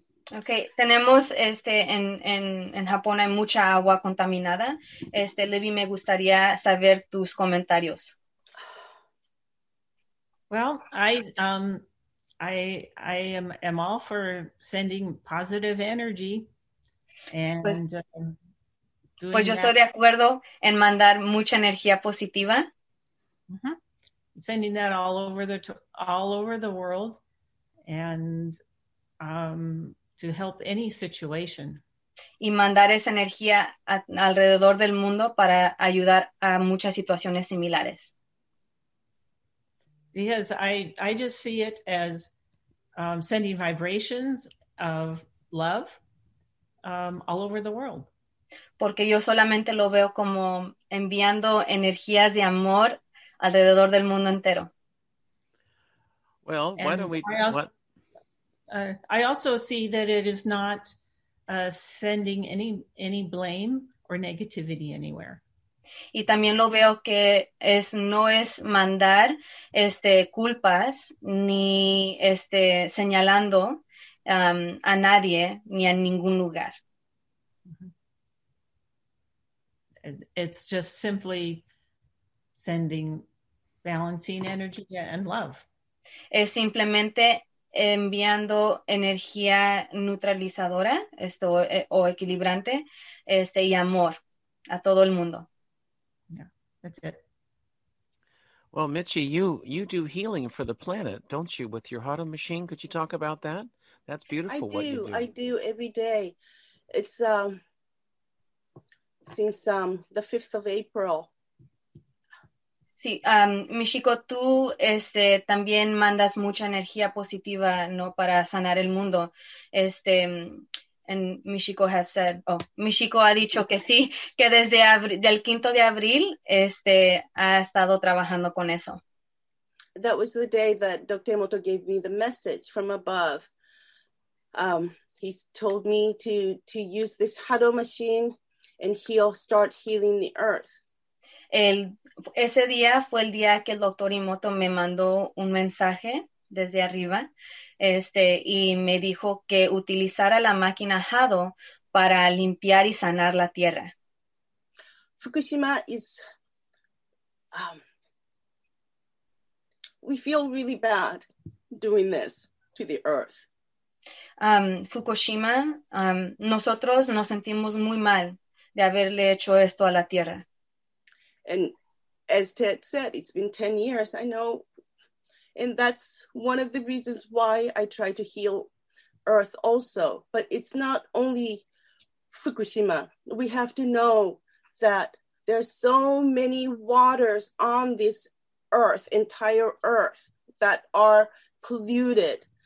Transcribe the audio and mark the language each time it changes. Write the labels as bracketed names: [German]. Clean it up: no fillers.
[Spanish] Okay, tenemos en Japón hay mucha agua contaminada. Libby, me gustaría saber tus comentarios. [English] Well, I I am all for sending positive energy and [Spanish] pues yo estoy de acuerdo en mandar mucha energía positiva. Mm-hmm. [English] Sending that all over the world and to help any situation. [Spanish] Y mandar esa energía alrededor del mundo para ayudar a muchas situaciones similares. [English] Because I just see it as sending vibrations of love all over the world. [Spanish] Porque yo solamente lo veo como enviando energías de amor alrededor del mundo entero. [English] Well, why don't we... I also see that it is not sending any blame or negativity anywhere. [Spanish] Y también lo veo que no es mandar culpas ni señalando a nadie ni a ningún lugar. [English] It's just simply sending balancing energy and love. [Spanish] Es simplemente enviando energía neutralizadora o equilibrante y amor a todo el mundo. [English] That's it. Well, Michi, you do healing for the planet, don't you, with your Hada machine? Could you talk about that? That's beautiful what you do. I do every day. It's since the 5th of April. [Spanish] Sí, Michiko, tú también mandas mucha energía positiva, ¿no?, para sanar el mundo. [English] And Michiko has said, [Spanish] Michiko ha dicho que sí, que desde del 5 de abril ha estado trabajando con eso. [English] That was the day that Dr. Emoto gave me the message from above. He's told me to use this Hado machine and he'll start healing the earth. [Spanish] Ese día fue el día que el Dr. Emoto me mandó un mensaje desde arriba. Y me dijo que utilizara la máquina Hado para limpiar y sanar la tierra. [English] Fukushima is, we feel really bad doing this to the earth. [Spanish] Fukushima, nosotros nos sentimos muy mal de haberle hecho esto a la tierra. [English] And as Ted said, it's been 10 years, I know. And that's one of the reasons why I try to heal Earth also. But it's not only Fukushima. We have to know that there are so many waters on this Earth, entire Earth, that are polluted.